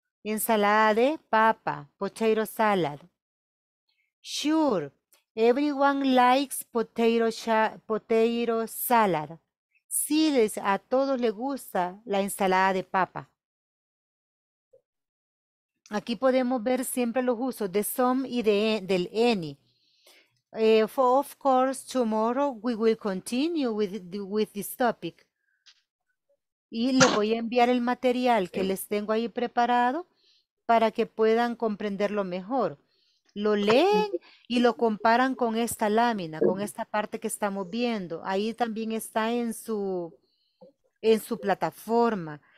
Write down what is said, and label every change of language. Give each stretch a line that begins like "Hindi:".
Spanish: Ensalada de papa,
English: potato salad. Sure, everyone likes potato salad.
Spanish: Sí, a todos les gusta la ensalada de papa. Aquí podemos ver siempre los usos de some y del any.
English: For of course, tomorrow we will continue with this topic.
Spanish: Y les voy a enviar el material que les tengo ahí preparado para que puedan comprenderlo mejor. Lo leen y lo comparan con esta lámina, con esta parte que estamos viendo. Ahí también está en su plataforma.